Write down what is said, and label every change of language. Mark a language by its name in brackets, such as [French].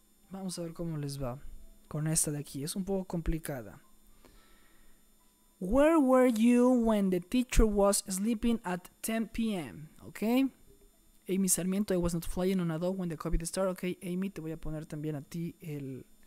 [Spanish] Vamos a ver cómo les va con esta de aquí. Es un poco complicada. [English] Where were you when the teacher was sleeping at 10 p.m.? Ok. Amy Sarmiento, I was not flying on a dog when the COVID started. [Spanish] Ok, Amy, te voy a poner también a ti el...